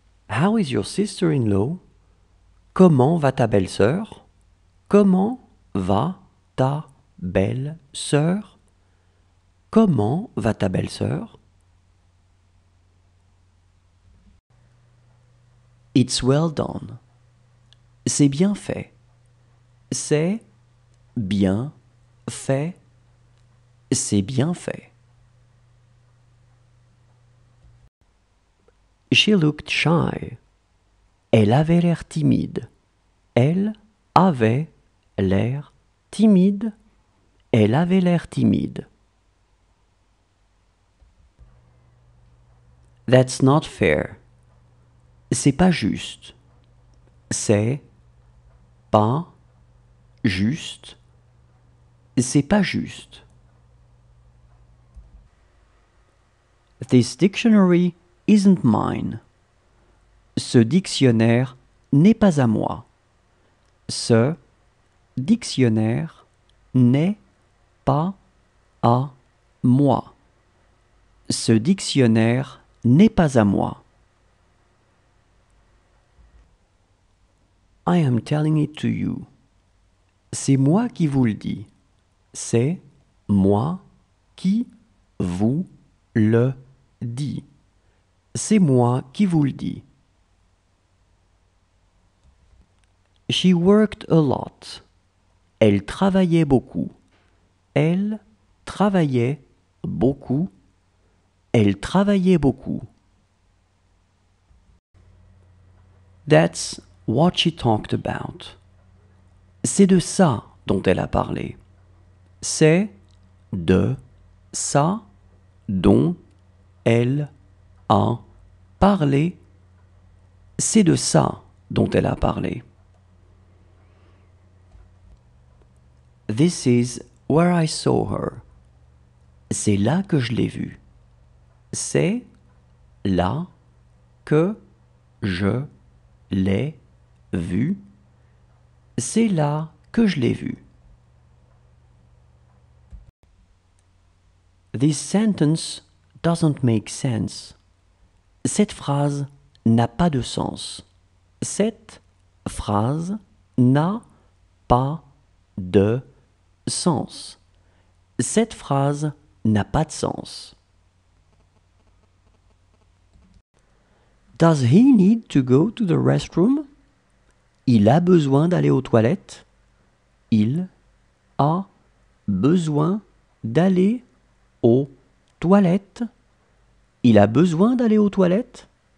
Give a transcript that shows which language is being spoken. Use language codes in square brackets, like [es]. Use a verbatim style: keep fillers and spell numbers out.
[en] How is your sister-in-law? [fr] Comment va ta belle-sœur? Comment va ta belle-sœur? Comment va ta belle-sœur? [en] It's well done. [fr] C'est bien fait. C'est bien fait. C'est bien fait. [en] She looked shy. [fr] Elle avait l'air timide. Elle avait l'air timide. Elle avait l'air timide. [en] That's not fair. [fr] C'est pas juste. C'est pas juste. C'est pas juste. [en] This dictionary isn't mine. [fr] Ce dictionnaire n'est pas à moi. Ce dictionnaire n'est pas à moi. Ce dictionnaire n'est pas à moi. [en] I am telling it to you. [fr] C'est moi qui vous le dis. C'est moi qui vous le dis. C'est moi qui vous le dis. [en] She worked a lot. [fr] Elle travaillait beaucoup. Elle travaillait beaucoup. Elle travaillait beaucoup. [en] That's what she talked about. [fr] C'est de ça dont elle a parlé. C'est de ça dont elle a parlé. C'est de ça dont elle a parlé. [en] This is where I saw her. [fr] C'est là que je l'ai vue. C'est là que je l'ai vue. C'est là que je l'ai vue. [en] This sentence doesn't make sense. [fr] Cette phrase n'a pas de sens. Cette phrase n'a pas de sens. Cette phrase n'a pas de sens. [en] Does he need to go to the restroom? [fr] Il a besoin d'aller aux toilettes. Il a besoin d'aller aux toilettes. Il a besoin d'aller aux toilettes.